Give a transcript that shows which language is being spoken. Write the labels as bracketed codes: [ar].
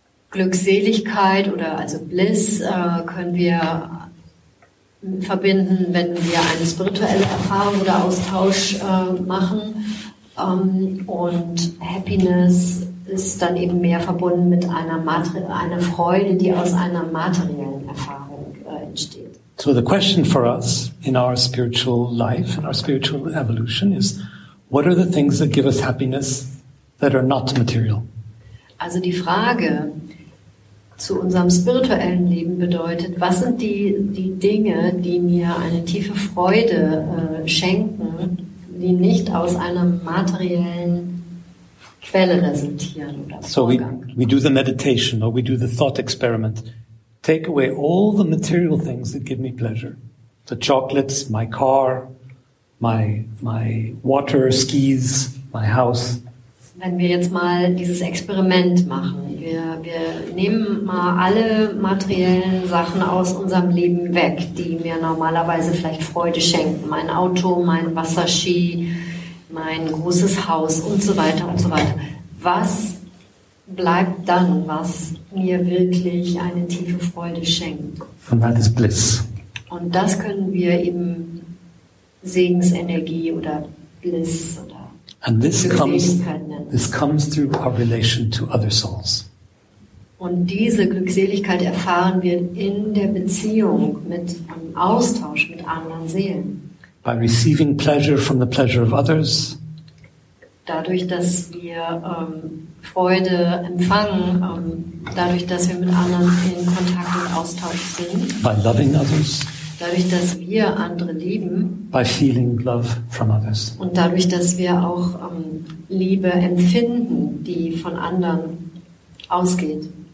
[de] Glückseligkeit oder also Bliss können wir verbinden, wenn wir eine spirituelle Erfahrung oder Austausch machen. Und Happiness ist dann eben mehr verbunden mit einer Freude, die aus einer materiellen Erfahrung entsteht. [en] So the question for us in our spiritual life, in our spiritual evolution is, what are the things that give us happiness that are not material? [de] Also die Frage zu unserem spirituellen Leben bedeutet, was sind die Dinge, die mir eine tiefe Freude schenken, die nicht aus einer materiellen Quelle resultieren oder [en] so we do the meditation or we do the thought experiment. Take away all the material things that give me pleasure. The chocolates, my car, my water skis, my house. [de] Wenn wir jetzt mal dieses Experiment machen, wir nehmen mal alle materiellen Sachen aus unserem Leben weg, die mir normalerweise vielleicht Freude schenken. Mein Auto, mein Wasserski, mein großes Haus und so weiter und so weiter. Was bleibt dann, was mir wirklich eine tiefe Freude schenkt? Und das ist Bliss. Und das können wir eben Segensenergie oder Bliss oder Glückseligkeit nennen. [en] This comes through our relation to other souls. [de] Und diese Glückseligkeit erfahren wir in der Beziehung mit einem Austausch mit anderen Seelen. [en] By receiving pleasure from the pleasure of others. [de] Dadurch, dass wir Freude empfangen, dadurch, dass wir mit anderen in Kontakt und Austausch sind. [en] By loving others. [de] Dadurch, dass wir andere lieben. [en] By feeling love from others. [de] Und dadurch, dass wir auch Liebe empfinden, die von anderen ausgeht.